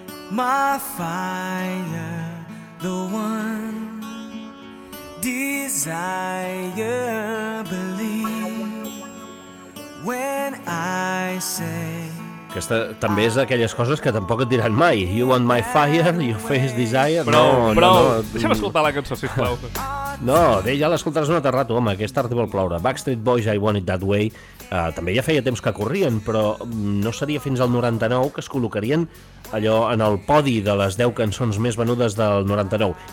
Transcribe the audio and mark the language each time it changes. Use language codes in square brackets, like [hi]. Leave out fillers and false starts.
[en] my fire, the one desire, believe when I say. [ca] Aquesta també és d'aquelles coses que tampoc et diran mai. [en] You want my fire, your face desire. [ca] Prou. Deixa'm escoltar la cançó, sisplau. No, bé, ja l'escoltaràs un altre rato, home. Aquest art vol ploure. Backstreet Boys, I Want It That Way. També ja feia temps que corrien, però no seria fins al 99 que es col·locarien allò en el podi de les 10 cançons més venudes del 99.